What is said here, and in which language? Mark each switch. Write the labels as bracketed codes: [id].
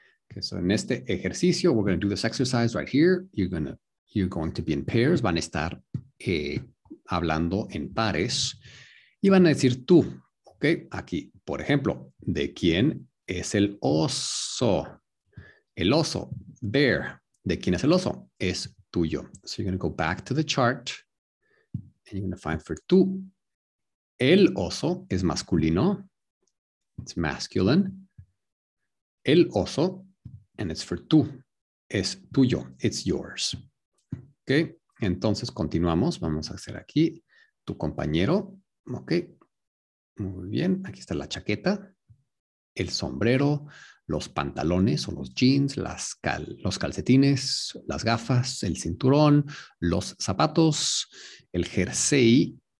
[en] Okay, so in [es] este ejercicio, [en] we're going to do this exercise right here, you're going to be in pairs, [es] van a estar hablando en pares, y van a decir tú, ok, aquí, por ejemplo, ¿de quién es el oso? El oso, bear, ¿de quién es el oso? Es tuyo. [en] So you're going to go back to the chart, and you're going to find for tú, [es] el oso es masculino, [en] it's masculine, el oso, and it's for tú, [es] es tuyo, [en] it's yours, ok. [es] Entonces continuamos, vamos a hacer aquí tu compañero, ok, muy bien, aquí está la chaqueta, el sombrero, los pantalones o los jeans, los calcetines, las gafas, el cinturón, los zapatos, el jersey.